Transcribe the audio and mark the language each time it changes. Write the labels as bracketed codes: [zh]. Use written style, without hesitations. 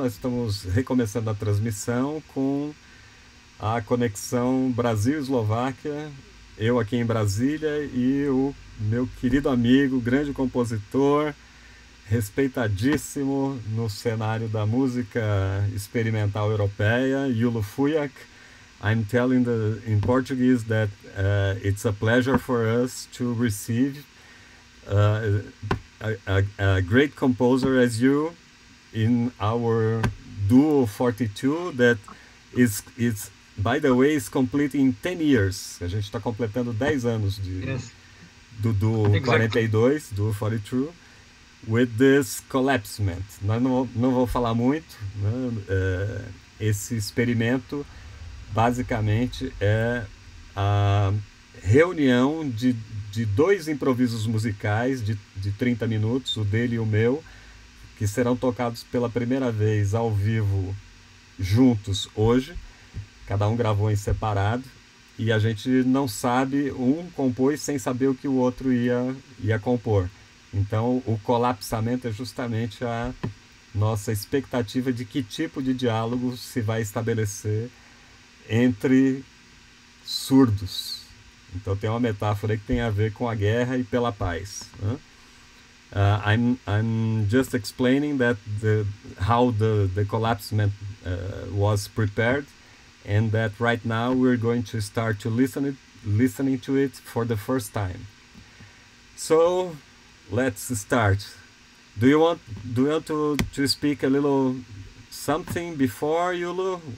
[pt] Nós estamos recomeçando a transmissão com a conexão Brasil-Eslováquia. Eu aqui em Brasília e o meu querido amigo, grande compositor, respeitadíssimo no cenário da música experimental europeia, Yulu Fujak. [en] I'm telling the in Portuguese that it's a pleasure for us to receive a great composer as you in our duo 42 that is by the way is completing 10 years. [pt] A gente está completando 10 anos de do duo exactly. [en] 42, duo 42, with this collapsement. [pt] Nós não vou falar muito, né? Esse experimento basicamente é a reunião de dois improvisos musicais de 30 minutos, o dele e o meu, que serão tocados pela primeira vez ao vivo juntos hoje. Cada um gravou em separado e a gente não sabe, um compôs sem saber o que o outro ia compor. Então o colapsamento é justamente a nossa expectativa de que tipo de diálogo se vai estabelecer entre surdos. Então tem uma metáfora aí que tem a ver com a guerra e pela paz. [en] I'm just explaining that how the collapsement was prepared, and that right now we're going to start to listening to it for the first time. So let's start. Do you want to speak a little something before, Yulu?